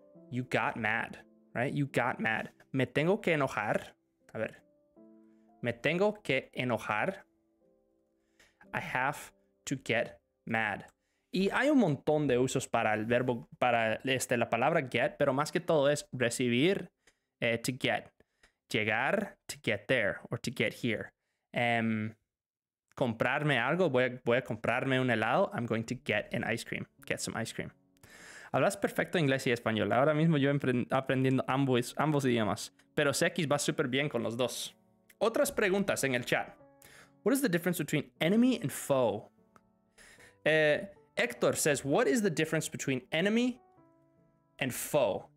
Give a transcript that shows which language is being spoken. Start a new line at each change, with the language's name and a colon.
English: You got mad, right? You got mad.
Spanish: Me tengo que enojar. A ver. Me tengo que enojar.
English: I have to get mad.
Spanish: Y hay un montón de usos para el verbo, para la palabra get, pero más que todo es recibir, to get. Llegar,
English: to get there, or to get here.
Spanish: Comprarme algo, voy a comprarme un helado.
English: I'm going to get an ice cream.
Spanish: Get some ice cream. Hablas perfecto inglés y español. Ahora mismo yo aprendiendo ambos idiomas. Pero CX va súper bien con los dos. Otras preguntas en el chat.
English: What is the difference between enemy and foe? Héctor says, what is the difference between enemy and foe?